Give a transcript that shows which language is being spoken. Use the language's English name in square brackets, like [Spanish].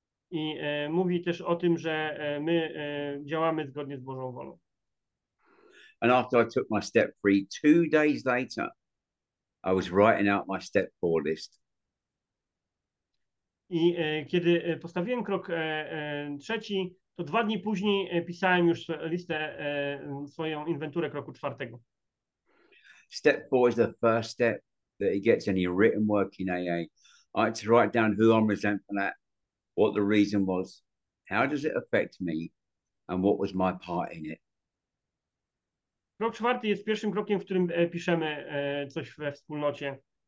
[Polish] I mówi też o tym, że my działamy zgodnie z Bożą wolą. [English] And after I took my step three, 2 days later, I was writing out my step four list. [Polish] kiedy postawiłem krok trzeci, to dwa dni później pisałem już listę, swoją inwenturę kroku czwartego. [English] Step four is the first step that he gets any written work in AA. I had to write down who I'm resentful at, what the reason was, how does it affect me, and what was my part in it. [Polish] Krok czwarty jest pierwszym krokiem, w którym piszemy coś we wspólnocie.